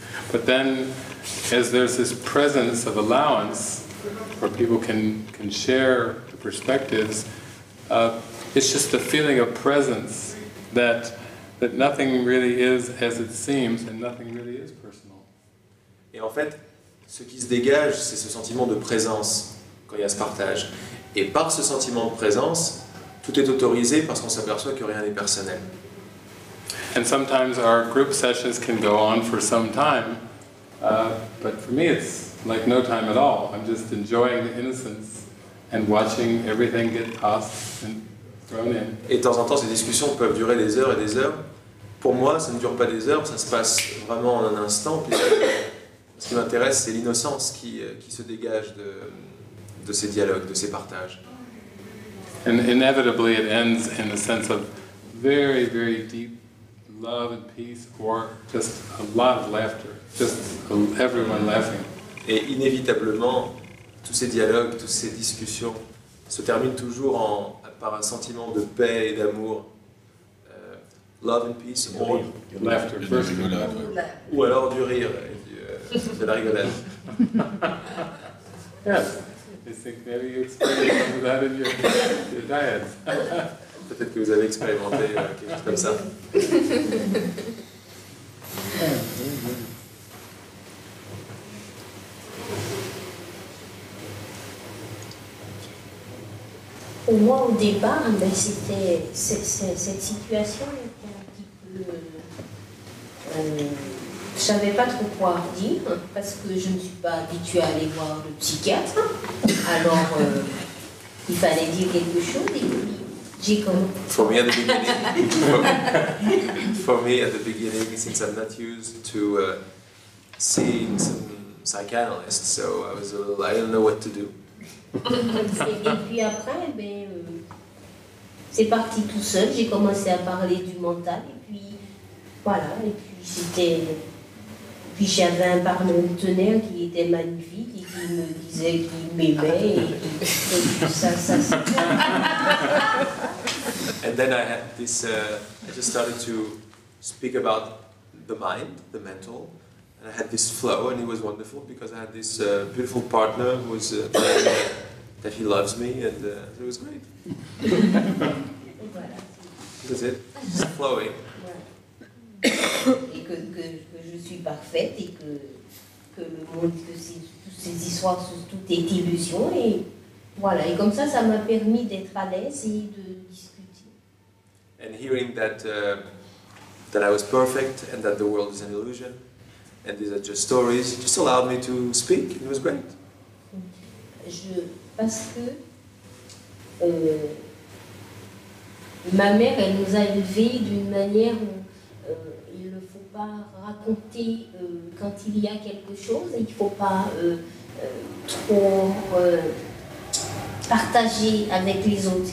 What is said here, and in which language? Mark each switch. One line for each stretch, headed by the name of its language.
English: But then, as there's this presence of allowance, where people can share the perspectives, it's just a feeling of presence that nothing really is as it seems and nothing really is personal.
French: Et en fait, ce qui se dégage, c'est ce sentiment de présence quand il y a ce partage. Et par ce sentiment de présence, tout est autorisé parce qu'on s'aperçoit que rien n'est personnel.
English: And sometimes our group sessions can go on for some time, but for me it's like no time at all. I'm just enjoying the innocence and watching everything get tossed and thrown in.
French: Et de temps en temps, ces discussions peuvent durer des heures et des heures. Pour moi, ça ne dure pas des heures, ça se passe vraiment en un instant. Ce qui m'intéresse, c'est l'innocence qui se dégage de ces dialogues, de ces partages.
English: And inevitably it ends in a sense of very, very deep love and peace, or just a lot of laughter, just everyone laughing.
French: Et inévitablement, tous ces dialogues, toutes ces discussions se terminent toujours par un sentiment de paix et d'amour.
English: Love and peace, or
French: rire.
English: Laughter,
French: rire.
English: First.
French: Rire. Ou alors du rire, de la rigolade.
English: Yes, I think maybe you experienced some of that in your diet.
French: Peut-être que vous avez expérimenté quelque chose comme ça. Au moins au départ, ben, c'était cette situation était un petit peu. Je savais pas trop quoi dire parce que je ne suis pas habituée à aller voir le psychiatre. Alors il fallait dire quelque chose. Et j'ai comme.
English: For me at the beginning. For me at the beginning, since I'm not used to seeing some psychanalysts, so I was a little, I don't know what to do.
French: Et puis après, ben, c'est parti tout seul. J'ai commencé à parler du mental et puis voilà. Et puis c'était. Puis j'avais un partenaire qui était magnifique et qui me disait qu'il m'aimait et tout ça, ça c'est.
English: And then I had this. I just started to speak about the mind, the mental. And I had this flow, and it was wonderful because I had this beautiful partner who was that he loves me, and it was great. That's it. It's flowing.
French: Et que je suis parfaite et que le monde, que toutes ces histoires, tout est illusion et voilà. Et comme ça, ça m'a permis d'être à l'aise et de discuter.
English: And hearing that that I was perfect and that the world is an illusion. And these are just stories. It just allowed me to speak. It was great.
French: Je parce que ma mère, elle nous a élevés d'une manière où il ne faut pas raconter quand il y a quelque chose. Il ne faut pas trop partager avec les autres.